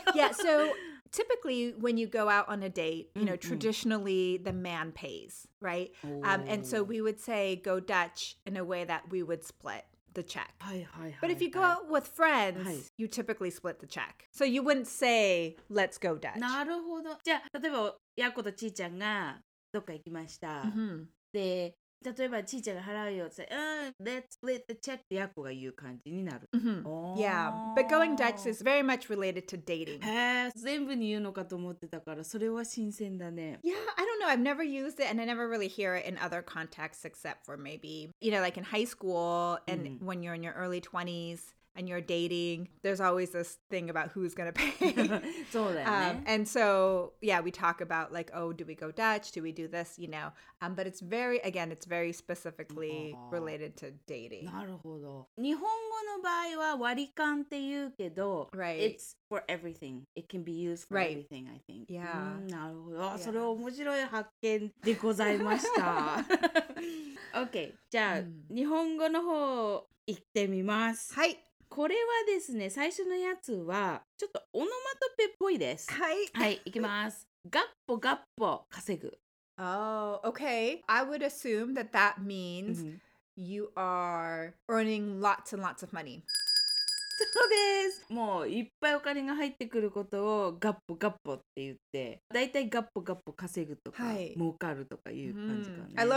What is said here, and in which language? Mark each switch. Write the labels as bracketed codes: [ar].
[en] Yeah, so typically when you go out on a date, you know, traditionally the man pays, right? And so we would say go Dutch in a way that we would split the check. [ja] はいはいはい。 [en] But if you go out with friends, you typically split the check. So you wouldn't say, let's go Dutch. [ja] なるほど。じゃあ、例えば、やっことちーちゃんがどっか行きました。で、例えばちーちゃんが払うよって言って、 [en] let's split the check [ja] ってやっこが言う感じになる。 [en] Yeah, but going Dutch is very much related to dating. [ja] へえ、全部に言うのかと思ってたから、それは新鮮だね。 [en] Yeah, I don't know. I've never used it and I never really hear it in other contexts except for maybe, you know, like in high school and when you're in your early 20s. And you're dating, there's always this thing about who's going to pay. [ja] そうだよね。 [en] And so, yeah, we talk about like, oh, do we go Dutch? Do we do this? You know, but it's very, again, it's very specifically related to dating. [ja] なるほど。日本語の場合は割り勘って言うけど、 [en] right. it's for everything. It can be used for、right. everything, I think. Yeah.、 [ja] なるほど。 [en] Yeah. [ja] それ面白い発見でございました。 OK, じゃあ、日本語の方行ってみます。はい。これはですね、最初のやつはちょっとオノマトペっぽいです。はい、はい、いきます。ガッポガッポ稼ぐ。 [en] Oh, okay. I would assume that that means、you are earning lots and lots of money. [ja] そうです。もういっぱいお金が入ってくることをガッポガッポって言って、だいたいガッポガッポ稼ぐとか、はい、儲かるとかいう感じかな、